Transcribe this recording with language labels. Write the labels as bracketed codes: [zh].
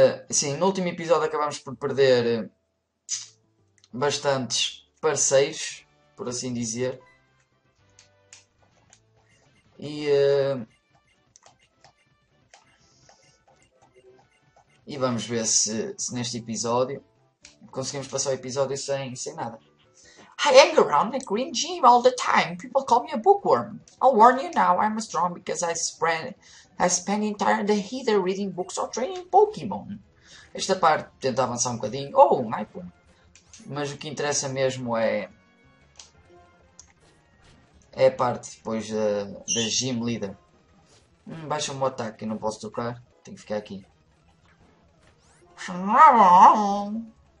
[pt] Sim, no último episódio acabamos por perder bastantes parceiros, por assim dizer. E vamos ver se neste episódio conseguimos passar o episódio sem nada. [en] I hang around the green gym all the time. People call me a bookworm. I'll warn you now, I'm strong because I spend entire day either reading books or training Pokémon. [pt] Esta parte tenta avançar um bocadinho. [en] Oh, my God. [pt] Mas o que interessa mesmo é a parte depois da Gym Leader. Baixa-me o ataque, não posso tocar. Tenho que ficar aqui. Snubbon!